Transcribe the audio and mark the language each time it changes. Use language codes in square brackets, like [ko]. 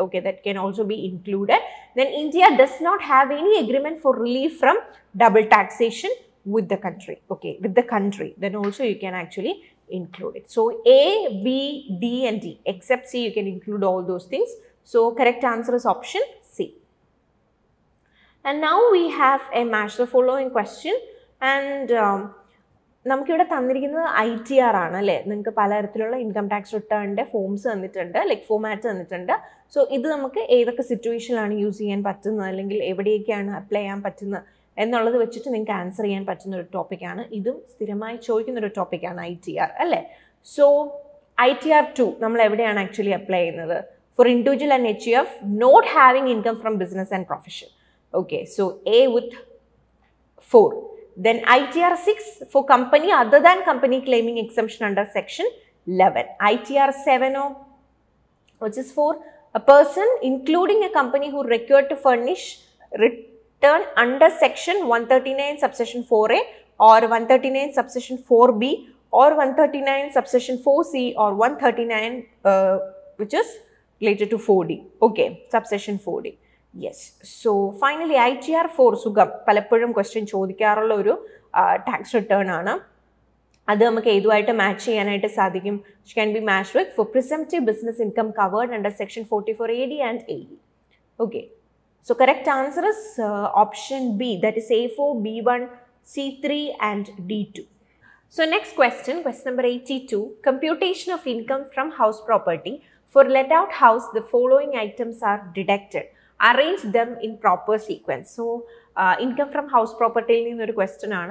[en] Okay, that can also be included. Then India does not have any agreement for relief from double taxation with the country. Okay, with the country, then also you can actually include it. So A, B, D and D, except C, you can include all those things. So correct answer is option C. And now we have a match the following question. [ml] And നമുക്ക് ഇവിടെ തന്നിരിക്കുന്നത് I T R ആണ് അല്ലേ. നിങ്ങൾക്ക് പലതരത്തിലുള്ള income tax റിട്ടേണിൻ്റെ forms തന്നിട്ടുണ്ട്, like format തന്നിട്ടുണ്ട്. So ഇത് നമുക്ക് ഏതൊക്കെ സിറ്റുവേഷനിലാണ് യൂസ് ചെയ്യാൻ പറ്റുന്നത്, അല്ലെങ്കിൽ എവിടെയൊക്കെയാണ് അപ്ലൈ ചെയ്യാൻ പറ്റുന്നത് എന്നുള്ളത് വെച്ചിട്ട് നിങ്ങൾക്ക് ആൻസർ ചെയ്യാൻ പറ്റുന്ന ഒരു ടോപ്പിക്കാണ്. ഇതും സ്ഥിരമായി ചോദിക്കുന്ന ഒരു ടോപ്പിക്കാണ് ഐ ടി ആർ അല്ലേ. സോ ഐ ടി ആർ 2 നമ്മൾ എവിടെയാണ് ആക്ച്വലി അപ്ലൈ ചെയ്യുന്നത്? [en] For individual and H F not having income from business and profession. Okay, so A with 4. Then ITR 6 for company other than company claiming exemption under section 11. ITR 7O, which is for a person including a company who required to furnish return under section 139 subsection 4A or 139 subsection 4B or 139 subsection 4C or 139 which is related to 4D. Okay, subsection 4D. Yes, so finally ITR 4, സുഖം. [ml] പലപ്പോഴും question ചോദിക്കാറുള്ള ഒരു tax return ആണ്. അത് നമുക്ക് ഏതുമായിട്ട് match ചെയ്യാനായിട്ട് സാധിക്കും? [en] ഷ് can be match with for presumptive business income covered under section 44AD and AE. Okay, so correct answer is option B, that is A4, B1, C3 and D2. So next question, question number 82, computation of income from house property for let out house the following items are deducted. Arrange them in proper sequence. So, income from house property is a question.